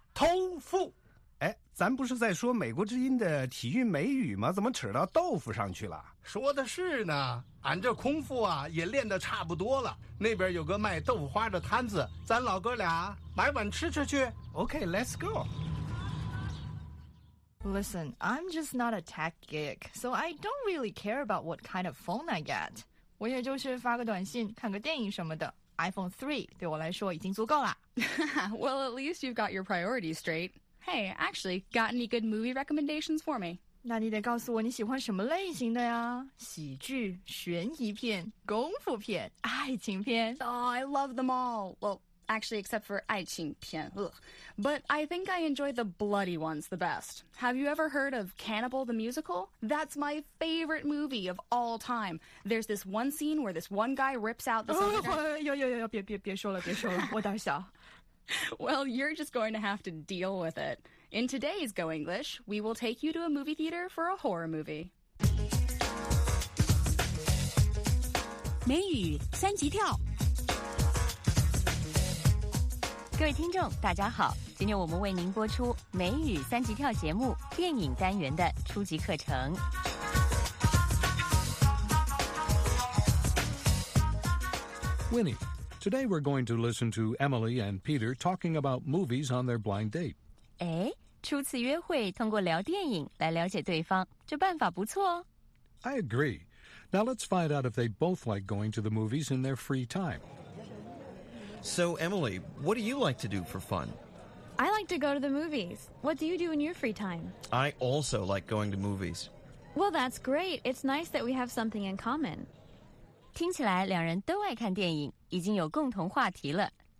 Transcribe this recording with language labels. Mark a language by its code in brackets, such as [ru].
[zh] 豆腐。哎，咱不是在说美国之音的体育美语吗？怎么扯到豆腐上去了？说的是呢，俺这空腹啊也练得差不多了。那边有个卖豆腐花的摊子，咱老哥俩买碗吃吃去。 [en] OK，let's、okay, go。 Listen， I'm just not a tech geek， so I don't really care about what kind of phone I get。 [zh] 我也就是发个短信看个电影什么的 iPhone 3对我来说已经足够了 [en] Well, at least you've got your priorities straight. Hey, actually, got any good movie recommendations for me? [zh] 那你得告诉我你喜欢什么类型的呀喜剧悬疑片功夫片爱情片 [en] Oh, I love them all. Well, Actually, except for [zh] 爱情片, [en] ugh. But I think I enjoy the bloody ones the best. Have you ever heard of Cannibal the Musical? That's my favorite movie of all time. There's this one scene where this one guy rips out the... [zh] 别说了,我当下。 [en] Well, you're just going to have to deal with it. In today's Go English, we will take you to a movie theater for a horror movie. [zh] 美语三级跳。各位听众大家好，今天我们为您播出美语三级跳节目电影单元的初级课程。 [en] Winnie, today we're going to listen to Emily and Peter talking about movies on their blind date. [zh] 哎，初次约会通过聊电影来了解对方，这办法不错哦。 [en] I agree. Now let's find out if they both like going to the movies in their free time. So, Emily, what do you like to do for fun? I like to go to the movies. What do you do in your free time? I also like going to movies. Well, that's great. It's nice that we have something in common. [zh] 听起来两人都爱看电影，已经有共同话题了。